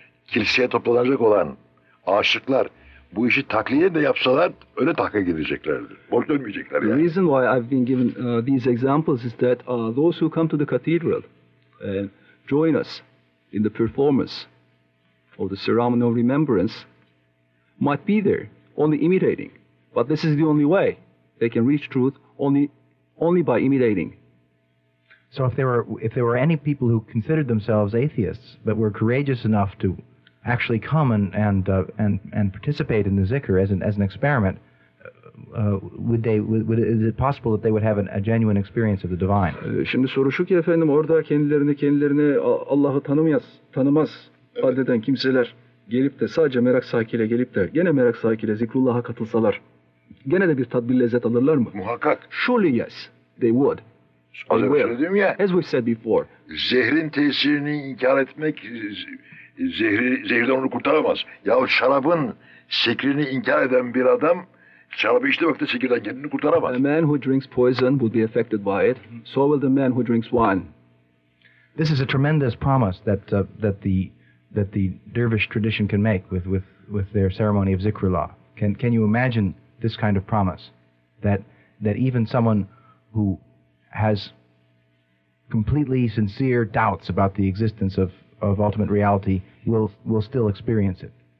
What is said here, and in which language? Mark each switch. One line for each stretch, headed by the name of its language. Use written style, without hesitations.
Turkish: Kiliseye toplanacak olan aşıklar bu işi taklide de yapsalar öyle taklide gideceklerdir. Boş dönmeyecekler yani.
English: The reason why I've been given these examples is that those who come to the cathedral and join us in the performance of the ceremony of remembrance might be there only imitating. But this is the only way they can reach truth only by imitating. So if there were any people who considered themselves atheists but were courageous enough to actually come and participate in the zikr as an experiment, is it possible that they would have a genuine experience of the divine?
Turkish: Şimdi soru şu ki efendim, orada kendilerini Allah'ı tanımaz haddeden kimseler gelip de sadece merak sahikiyle gelip de gene merak sahikiyle zikrullah'a katılsalar gene de bir tadbir lezzet alırlar mı? Muhakkak.
English: Surely yes, they would.
Turkish: Az önce söyledim ya.
English: As we said before.
Turkish: Zehrin tesirini inkar etmek zehirden onu kurtaramaz. Yahut şarabın sekrini inkar eden bir adam şarabı içtiğinde sekirden kendini kurtaramaz.
English: A man who drinks poison will be affected by it. So will the man who drinks wine. This is a tremendous promise that the dervish tradition can make with their ceremony of zikrullah. Can you imagine this kind of promise that even someone who has completely sincere doubts about the existence of ultimate reality will still experience it.